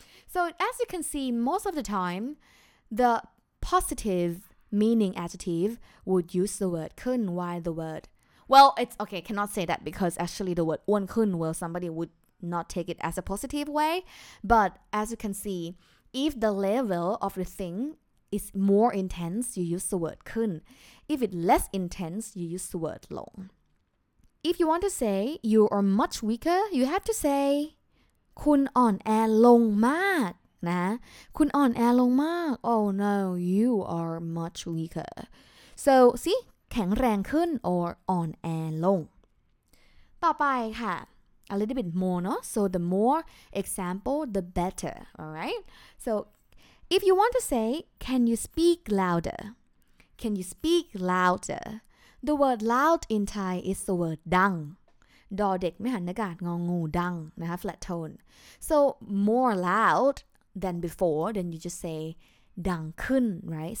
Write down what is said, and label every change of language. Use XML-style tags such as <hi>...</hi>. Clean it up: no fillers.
<en>So as you can see, most of the time, the positive meaning adjective would use the word ขึ้น. Why the word? Well, it's okay. Cannot say that because actually the word อ้วนขึ้น, well, somebody would not take it as a positive way. But as you can see, if the level of the thingIs more intense, you use the word ขึ้น. If it's less intense, you use the word ลง. If you want to say you are much weaker, you have to say</en> <th>คุณอ่อนแอลงมากนะ คุณอ่อนแอลงมาก.</th> <en>Oh no, you are much weaker. So see, แข็งแรงขึ้น or อ่อนแอลง.</en> <th>ต่อไปค่ะ</th> <en>a little bit more, no? So the more example, the better. All right, so. If you want to say, can you speak louder? Can you speak louder? The word loud in Thai is the word dang.</en> <th>ดอเด็กไม่หันอากาศงองูดังนะคะ flat tone.</th> <en>So more loud than before, then you just say ดังขึ้น, right?</en>